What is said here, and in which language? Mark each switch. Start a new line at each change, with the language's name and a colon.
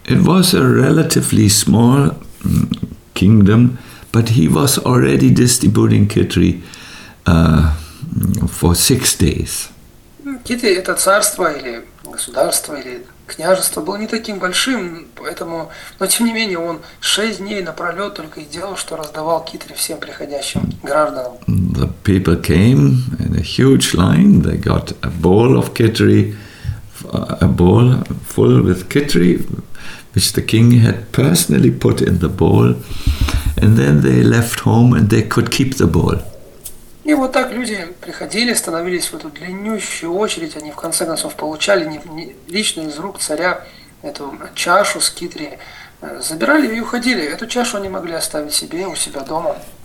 English: It was a relatively small kingdom, but he was already distributing khichdi for 6 days.
Russian: Китри – это царство или государство, или княжество было не таким большим, поэтому, но тем не менее, он 6 дней напролет только и делал, что раздавал китри всем приходящим гражданам.
English: The people came in a huge line, they got a bowl of khichdi, a bowl full with khichdi, which the king had personally put in the bowl, and then they left home and they could keep the bowl.
Russian: И вот так люди приходили, становились в эту длиннющую очередь, они в конце концов получали лично из рук царя эту чашу с китри, забирали и уходили. Эту чашу они могли оставить себе, у себя дома.